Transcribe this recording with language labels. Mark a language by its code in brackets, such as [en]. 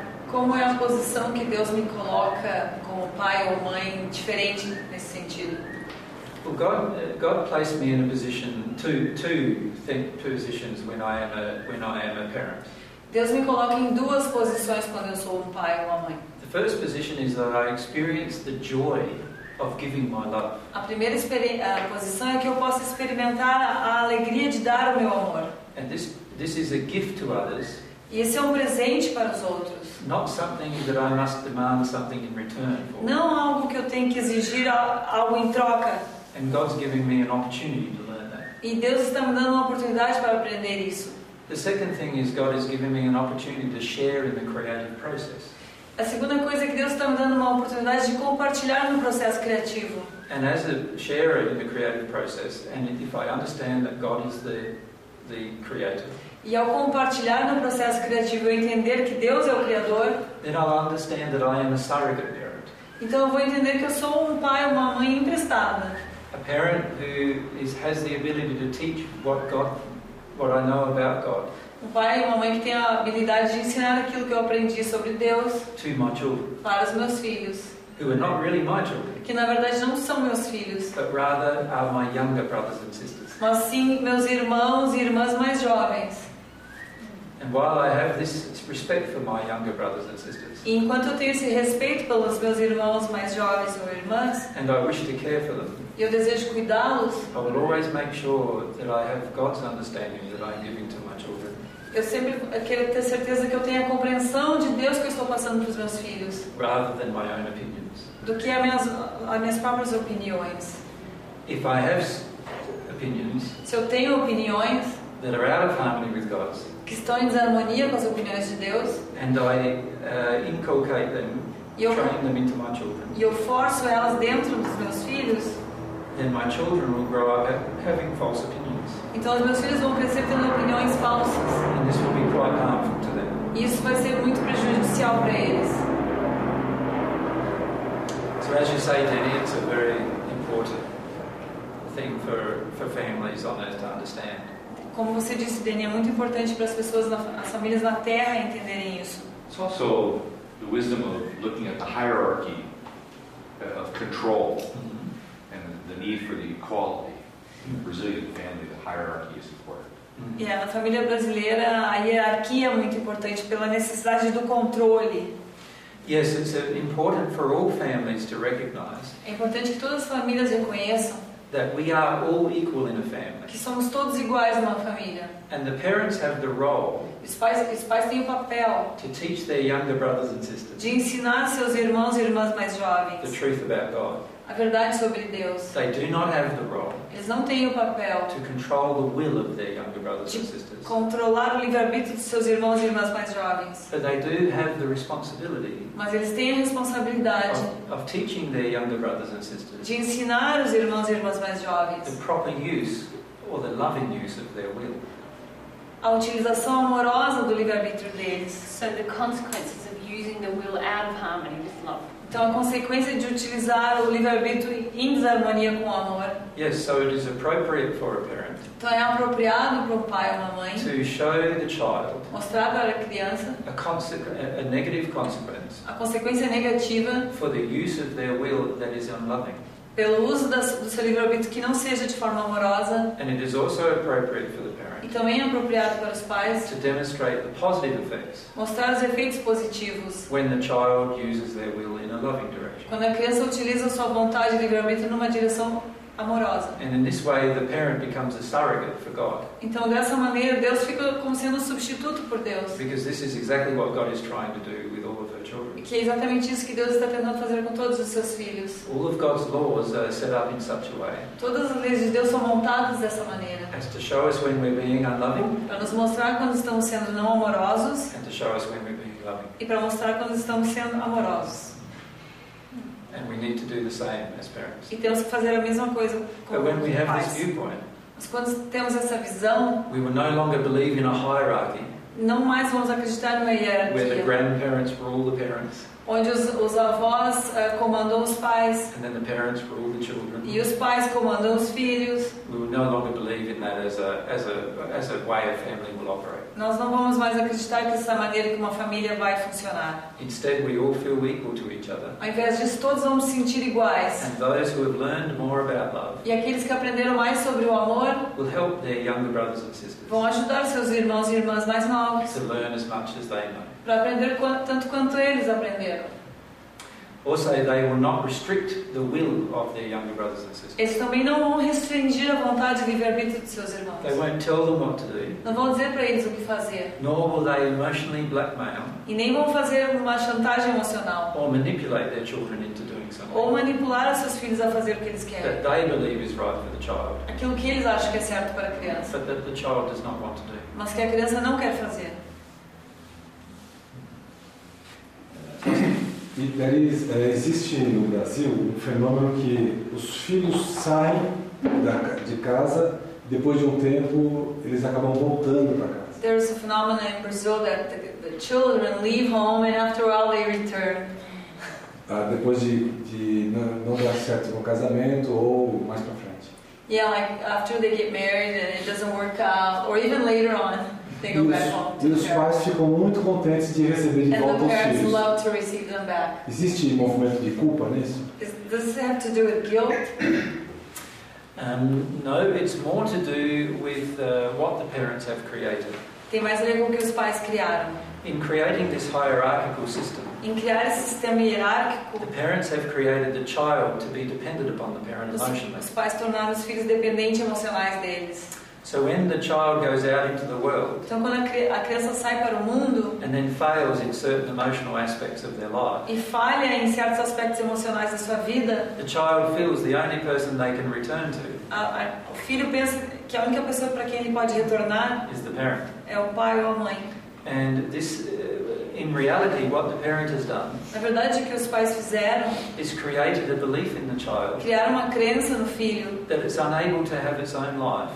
[pt] Como é a posição que Deus me coloca como pai ou mãe diferente nesse sentido? [en] Well, God placed me in a position two positions when I am a parent. [pt] Deus me coloca em duas posições quando eu sou um pai ou uma mãe. [en] The first position is that I experience the joy of giving my love. [pt] A primeira posição é que eu posso experimentar a alegria de dar o meu amor. [en] And this is a gift to others. [pt] E esse é um presente para os outros. [en] Not something that I must demand something in return for. [pt] Não algo que eu tenho que exigir algo em troca. [en] And God's giving me an opportunity to learn that. [pt] E Deus está me dando uma oportunidade para aprender isso. [en] The second thing is God is giving me an opportunity to share in the creative process. [pt] A segunda coisa é que Deus está me dando uma oportunidade de compartilhar no processo criativo. [en] And as a sharer in the creative process, and if I understand that God is the creator. [pt] E ao compartilhar no processo criativo, eu entender que Deus é o criador. [en] Then I'll understand that I am a surrogate parent. [pt] Então eu vou entender que eu sou um pai ou uma mãe emprestada. [en] A parent who has the ability to teach what I know about God. [pt] Um pai e uma mãe que tem a habilidade de ensinar aquilo que eu aprendi sobre Deus. [en] To my children. [pt] Para os meus filhos. [en] Who are not really my children. [pt] Que na verdade não são meus filhos. [en] But rather are my younger brothers and sisters. [pt] Mas sim meus irmãos e irmãs mais jovens. [en] And while I have this respect for my younger brothers and sisters. [pt] E enquanto eu tenho esse respeito pelos meus irmãos mais jovens ou irmãs. [en] And I wish to care for them. [pt] E eu desejo cuidá-los. [en] I will always make sure that I have God's understanding that I'm giving to my children. [pt] Eu sempre quero ter certeza que eu tenho a compreensão de Deus que eu estou passando para os meus filhos. [en] Rather than my own opinions. [pt] Do que as minhas próprias opiniões. [en] If I have opinions. [pt] Se eu tenho opiniões. [en] That are out of harmony with God's. [pt] Que estão em desarmonia com as opiniões de Deus. [en] And I inculcate them. Train them into my children. [pt] E eu forço elas dentro dos meus filhos. [en] Then my children will grow up having false opinions. [pt] Então os meus filhos vão crescer tendo opiniões falsas. [en] And this will be quite harmful to them. [pt] E isso vai ser muito prejudicial para eles. [en] So as you say, Jenny, it's a very important thing for families on earth to understand. [pt] Como você disse, Jenny, é muito importante para as pessoas, as famílias na Terra entenderem isso. [en] It's also the wisdom of looking at the hierarchy of control. The need for the equality, the Brazilian family, the hierarchy is important. [pt] Yeah, na família brasileira a hierarquia é muito importante pela necessidade do controle. [en] Yes, it's important for all families to recognize. [pt] É importante que todas as famílias reconheçam [en] that we are all equal in a family. [pt] Que somos todos iguais numa família. [en] And the parents have the role. [pt] Os pais têm o papel [en] to teach their younger brothers and sisters. [pt] De ensinar seus irmãos e irmãs mais jovens. [en] The truth about God. [pt] A verdade sobre Deus. [en] They do not have the role. [pt] Eles não têm o papel [en] to control the will of their younger brothers and sisters. [pt] Controlar o livre-arbítrio de seus irmãos e irmãs mais jovens. [en] But they do have the responsibility. [pt] Mas eles têm a responsabilidade [en] of teaching their younger brothers and sisters. [pt] De ensinar os irmãos e irmãs mais jovens. [en] The proper use or the loving use of their will. [pt] A utilização amorosa do livre-arbítrio deles. [en] So the consequences of using the will out of harmony with love. [pt] Então, a consequência de utilizar o livre-arbítrio em desarmonia com o amor. [en] Yes, so it is appropriate for a parent. [pt] Então, é apropriado para o pai ou a mãe. [en] To show the child. [pt] Mostrar para a criança. [en] A negative consequence. [pt] A consequência negativa. [en] For the use of their will that is unloving. [pt] Pelo uso do seu livre-arbítrio que não seja de forma amorosa. [en] And it is also appropriate for the parent. [pt] E também é apropriado para os pais. [en] To demonstrate the positive effects. [pt] Mostrar os efeitos positivos. [en] When the child uses their will in a loving direction. [pt] Quando a criança utiliza sua vontade livremente numa direção amorosa. [en] And in this way, the parent becomes a surrogate for God. [pt] Então, dessa maneira, Deus fica como sendo substituto por Deus. [en] Because this is exactly what God is trying to do with all of her children. [pt] Que é exatamente isso que Deus está tentando fazer com todos os seus filhos. [en] All of God's laws are set up in such a way. [pt] Todas as leis de Deus são montadas dessa maneira. [en] As to show us when we're being unloving. [pt] Para nos mostrar quando estamos sendo não amorosos. [en] And to show us when we're being loving. [pt] E para mostrar quando estamos sendo amorosos. [en] And we need to do the same as parents. [pt] E temos que fazer a mesma coisa como [en] but when we have [pt] pais. [en] This viewpoint, [pt] mas quando temos essa visão, [en] we will no longer believe in a hierarchy. [pt] Não mais vamos acreditar numa hierarquia. [en] Where the grandparents rule the parents. [pt] Onde os avós comandam os pais. [en] And then the parents rule the children. [pt] E os pais comandam os filhos. [en] We will no longer believe in that as a way a family will operate. [pt] Nós não vamos mais acreditar que essa maneira que uma família vai funcionar. [en] Instead, we all feel equal to each other. [pt] Ao invés disso, todos vamos nos sentir iguais. [en] And those who have learned more about love. [pt] E aqueles que aprenderam mais sobre o amor. [en] Will help their younger brothers and sisters. [pt] Vão ajudar seus irmãos e irmãs mais novos. [en] To learn as much as they know. [pt] Para aprender tanto quanto eles aprenderam. [en] Also, they will not restrict the will of their younger brothers and sisters. [pt] Eles também não vão restringir a vontade de livre-arbítrio de seus irmãos. [en] They won't tell them what to do. [pt] Não vão dizer para eles o que fazer. [en] Nor will they emotionally blackmail. [pt] E nem vão fazer uma chantagem emocional. [en] Or manipulate their children into doing something. [pt] Ou manipular os seus filhos a fazer o que eles querem. [en] That they believe is right for the child. [pt] Aquilo que eles acham que é certo para a criança. [en] But that the child does not want to do. [pt] Mas que a criança não quer fazer. E daí existe no Brasil um fenômeno que os filhos saem de casa, depois de um tempo eles acabam voltando para casa. [en] There is a phenomenon in Brazil that the children leave home and after a while they return. [pt] Depois de não dar certo com o casamento ou mais para frente. [en] Yeah, like after they get married and it doesn't work out, or even later on. [pt] E os pais ficam muito contentes de receber de volta os filhos. Existe um movimento de culpa nisso? [en] Does it have to do with guilt? No, it's more to do with what the parents have created. [pt] Tem mais a ver com o que os pais criaram. [en] In creating this hierarchical system. [pt] Em criar esse sistema hierárquico. [en] The parents have created the child to be dependent upon the parent emotionally. [pt] Os pais tornaram os filhos dependentes emocionais deles. [en] So when the child goes out into the world, [pt] então, quando a criança sai para o mundo, [en] and then fails in certain emotional aspects of their life, [pt] e falha em certos aspectos emocionais da sua vida, [en] the child feels the only person they can return to. [pt] O filho pensa que a única pessoa para quem ele pode retornar [en] is the parent. [pt] É o pai ou a mãe. [en] And this, in reality, what the parent has done, [pt] na verdade, o que os pais fizeram, [en] is created a belief in the child, [pt] criaram uma crença no filho, [en] that it's unable to have its own life,